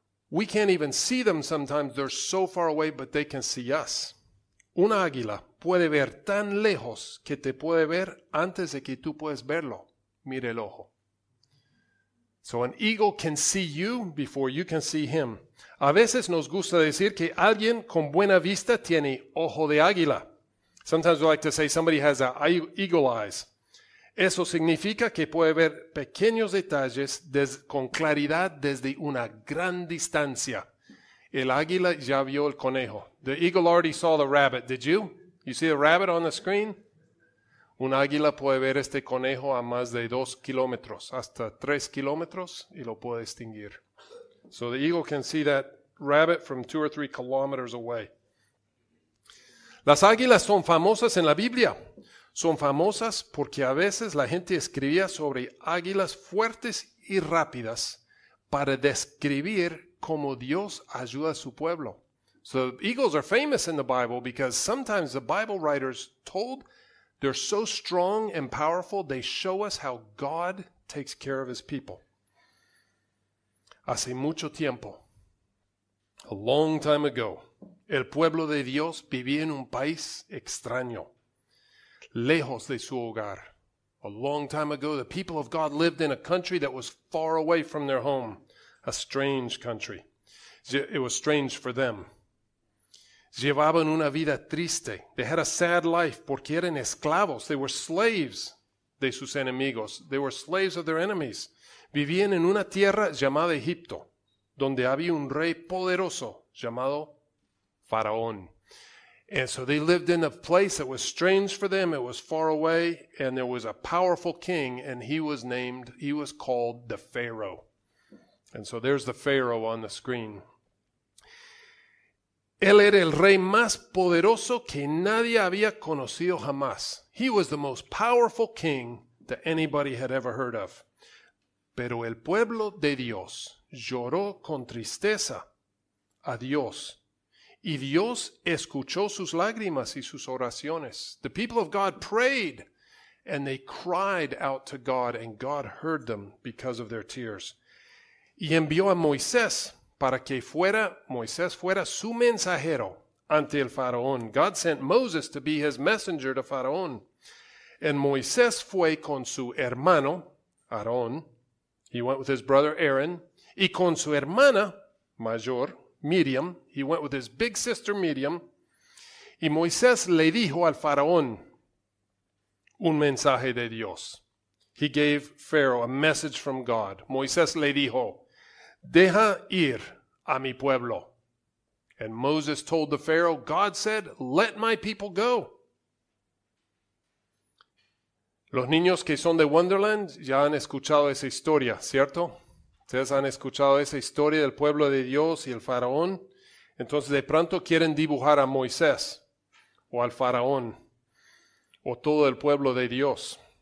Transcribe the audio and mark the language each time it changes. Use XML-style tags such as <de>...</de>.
<en>We can't even see them sometimes. They're so far away, but they can see us.</en> <es>Una águila puede ver tan lejos que te puede ver antes de que tú puedes verlo. Mire el ojo.</es> <en>So an eagle can see you before you can see him.</en> <es>A veces nos gusta decir que alguien con buena vista tiene ojo de águila.</es> <en>Sometimes we like to say somebody has a eagle eyes.</en> <es>Eso significa que puede ver pequeños detalles con claridad desde una gran distancia. El águila ya vio el conejo.</es> <en>The eagle already saw the rabbit. Did you? You see the rabbit on the screen?</en> <es>Un águila puede ver este conejo a más de 2 kilómetros, hasta 3 kilómetros, y lo puede distinguir.</es> <en>So the eagle can see that rabbit from 2 or 3 kilometers away.</en> <es>Las águilas son famosas en la Biblia. Son famosas porque a veces la gente escribía sobre águilas fuertes y rápidas para describir cómo Dios ayuda a su pueblo.</es> <en>So eagles are famous in the Bible because sometimes the Bible writers told they're so strong and powerful, they show us how God takes care of his people.</en> <es>Hace mucho tiempo,</es> <en>a long time ago,</en> <es>el pueblo de Dios vivía en un país extraño, lejos de su hogar.</es> <en>A long time ago, the people of God lived in a country that was far away from their home, a strange country. It was strange for them.</en> <es>Llevaban una vida triste.</es> <en>They had a sad life</en> <es>porque eran esclavos.</es> <en>They were slaves</en> <es>de sus enemigos.</es> <en>They were slaves of their enemies.</en> <es>Vivían en una tierra llamada Egipto, donde había un rey poderoso llamado Faraón.</es> <en>And so they lived in a place that was strange for them. It was far away. And there was a powerful king, and he was called the Pharaoh. And so there's the Pharaoh on the screen.</en> <es>Él era el rey más poderoso que nadie había conocido jamás.</es> <en>He was the most powerful king that anybody had ever heard of.</en> <es>Pero el pueblo de Dios lloró con tristeza a Dios. Y Dios escuchó sus lágrimas y sus oraciones.</es> <en>The people of God prayed and they cried out to God, and God heard them because of their tears.</en> <es>Y envió a Moisés para que Moisés fuera su mensajero ante el faraón.</es> <en>God sent Moses to be his messenger to Faraón. And Moisés</en> <es>fue con su hermano,</es> <en>Aarón. He went with his brother, Aaron.</en> <es>Y con su hermana mayor,</es> <en>Miriam. He went with his big sister, Miriam.</en> <es>Y Moisés le dijo al faraón un mensaje de Dios.</es> <en>He gave Pharaoh a message from God.</en> <es>Moisés le dijo, deja ir a mi pueblo.</es> <en>And Moses told the Pharaoh, God said, let my people go.</en> <es>Los niños que son de Wonderland ya han escuchado esa historia, ¿cierto? Ustedes han escuchado esa historia del pueblo de Dios y el faraón. Entonces de pronto quieren dibujar a Moisés o al faraón o todo el pueblo de Dios.</es>